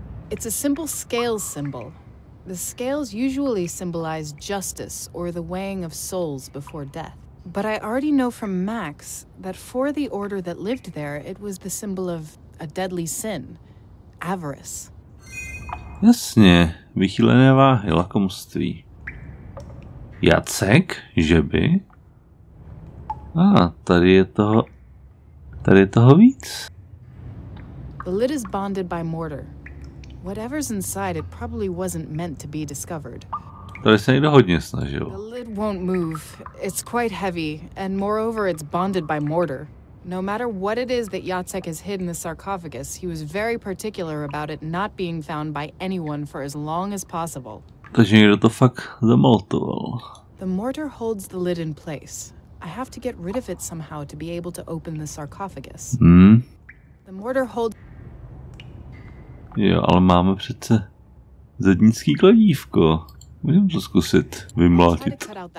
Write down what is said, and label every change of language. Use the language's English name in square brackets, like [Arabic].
[English] It's a simple scale symbol. The scales usually symbolize justice or the weighing of souls before death. But I already know from Max that for the order that lived there, it was the symbol of a deadly sin, avarice. [Czech] Jasně, vychýlené váhy, lakomství. Jacek, žeby. A tady je toho víc. [English] The lid is bonded by mortar. Whatever's inside, it probably wasn't meant to be discovered. [Czech] Tady se někdo hodně snažil. [English] The lid won't move. It's quite heavy, and moreover, it's bonded by mortar. No matter what it is that Jacek has hid in the sarcophagus, he was very particular about it not being found by anyone for as long as possible. [Czech] Takže někdo to fakt zamaltoval. [English] The mortar holds the lid in place. I have to get rid of it somehow to be able to open the sarcophagus. The mortar holds... [Czech] Jo, ale máme přece zednický kladívko. Můžeme to zkusit vymlátit.